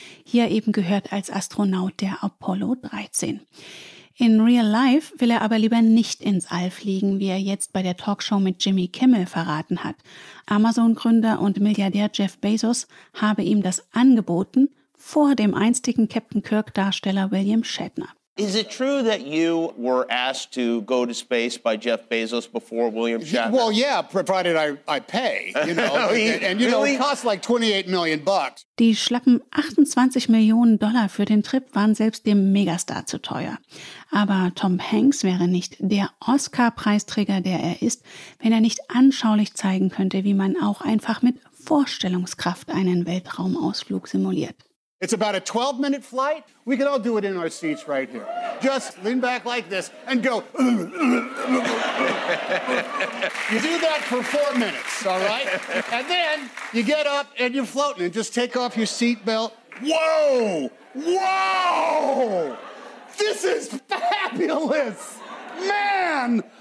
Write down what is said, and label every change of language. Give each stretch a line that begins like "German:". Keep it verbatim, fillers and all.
German: Hier eben gehört als Astronaut der Apollo dreizehn. In Real Life will er aber lieber nicht ins All fliegen, wie er jetzt bei der Talkshow mit Jimmy Kimmel verraten hat. Amazon-Gründer und Milliardär Jeff Bezos habe ihm das angeboten, vor dem einstigen Captain Kirk-Darsteller William Shatner.
English: Is it true that you were asked to go to space by Jeff Bezos before William Shatner? Well, yeah, provided I, I pay, you know. oh, he, and, and, you really? know, it costs like twenty-eight million bucks.
German: Die schlappen achtundzwanzig Millionen Dollar für den Trip waren selbst dem Megastar zu teuer. Aber Tom Hanks wäre nicht der Oscar-Preisträger, der er ist, wenn er nicht anschaulich zeigen könnte, wie man auch einfach mit Vorstellungskraft einen Weltraumausflug simuliert.
English: It's about a twelve-minute flight. We could all do it in our seats right here. Just lean back like this and go. You do that for four minutes, all right? And then you get up and you're floating and just take off your seatbelt. Whoa! Whoa! This is fabulous! Man!